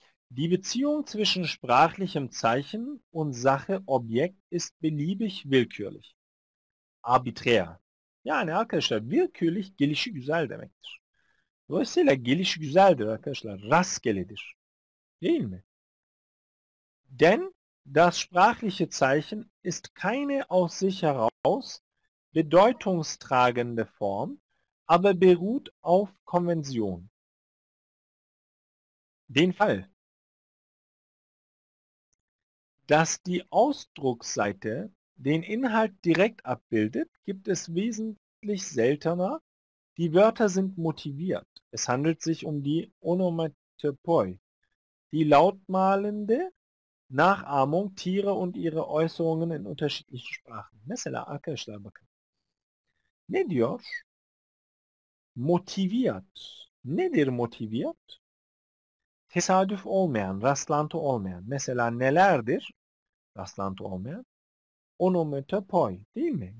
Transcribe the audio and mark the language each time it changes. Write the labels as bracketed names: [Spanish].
[German] Die Beziehung zwischen sprachlichem Zeichen und Sache Objekt ist beliebig willkürlich. Arbiträr. [Turkish] Yani arkadaşlar willkürlich gelişi güzel demektir. Dolayısıyla geliş güzeldir arkadaşlar. Rastgeledir. Değil mi? [German] Denn das sprachliche Zeichen ist keine aus sich heraus bedeutungstragende Form, aber beruht auf Konvention. Den Fall, dass die Ausdrucksseite den Inhalt direkt abbildet, gibt es wesentlich seltener. Die Wörter sind motiviert. Es handelt sich um die Onomatopoi, die lautmalende Nachahmung Tiere und ihre Äußerungen in unterschiedlichen Sprachen. [Turkish] Mesela arkadaşlar bakın. Ne diyor? Motiviert. Nedir motiviert? Tesadüf olmayan, rastlantı olmayan. Mesela nelerdir? Rastlantı olmayan. Onomatopoi, değil mi?